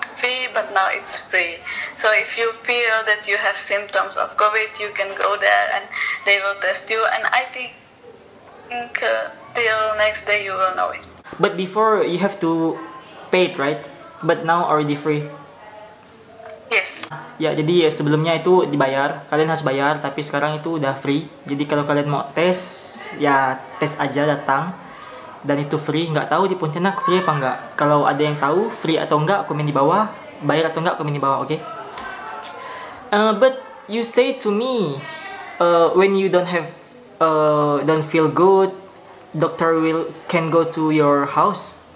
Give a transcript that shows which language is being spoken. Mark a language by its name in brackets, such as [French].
[English] Free, but now it's free. So if you feel that you have symptoms of COVID, you can go there and they will test you. And I think till next day you will know it. But before you have to pay it, right? But now already free. Yes. [Indonesian] Ya, jadi sebelumnya itu dibayar. Kalian harus bayar, tapi sekarang itu udah free. Jadi kalau kalian mau tes, ya tes aja datang. Dan itu free, nggak tahu di Pontianak free apa nggak. Kalau ada yang tahu free atau nggak, komen di bawah. Bayar atau nggak, komen di bawah, oke? Okay? [English] But you say to me, when you don't feel good, doctor can go to your house.